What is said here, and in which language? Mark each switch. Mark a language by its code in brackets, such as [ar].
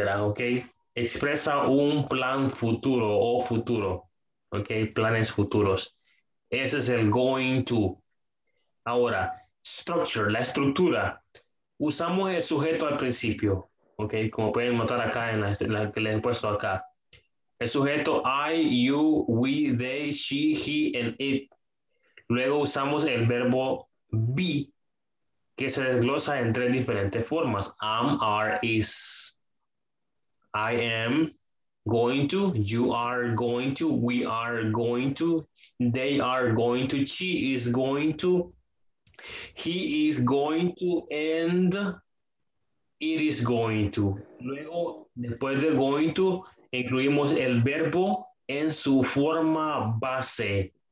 [es] Ok. Expresa un plan futuro o futuro. Ok. Planes futuros. Ese es el going to. Ahora, structure, la estructura. Usamos el sujeto al principio. Ok, como pueden notar acá en la que les he puesto acá. [en] El sujeto I, you, we, they, she, he, and it. [es] Luego usamos el verbo be, que se desglosa en tres diferentes formas. [en] Am, are, is. I am going to, you are going to, we are going to. They are going to, she is going to, he is going to, and it is going to. [es] Luego, después de going to, incluimos el verbo en su forma base.